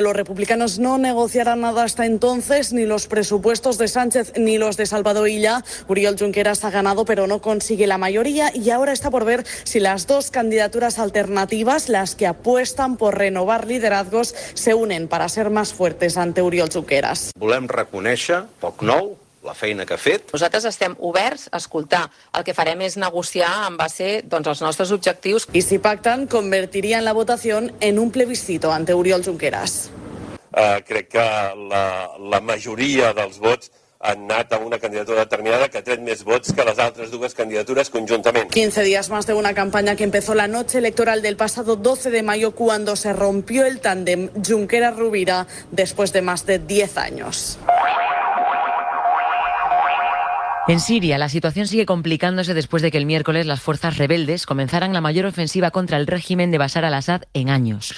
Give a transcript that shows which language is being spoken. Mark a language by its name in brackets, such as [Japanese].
[Spanish] Los republicanos no negociarán nada hasta entonces, ni los presupuestos de Sánchez ni los de Salvador Illa. Oriol Junqueras ha ganado, pero no consigue la mayoría, y ahora está por ver si las dos candidaturas alternativas, las que apuestan por renovar liderazgos, se unen para ser más fuertes ante Oriol Junqueras. [Catalan] Volem reconèixer, poc nou, la feina que ha fet. Nosaltres estem oberts a escoltar. El que farem és negociar en base, doncs, als nostres objectius. I si pacten, convertirien la votació en [Spanish] un plebiscito ante Oriol Junqueras. [Catalan] Crec que la majoria dels vots han anat a una candidatura determinada que ha tret més vots que les altres dues candidatures conjuntament. 15 dies més [Spanish] de una campanya que empezó la noche electoral del pasado 12 de mayo cuando se rompió el tándem Junqueras-Rovira después de más de 10 años. En Siria, la situación sigue complicándose después de que el miércoles las fuerzas rebeldes comenzaran la mayor ofensiva contra el régimen de Bashar al-Assad en años.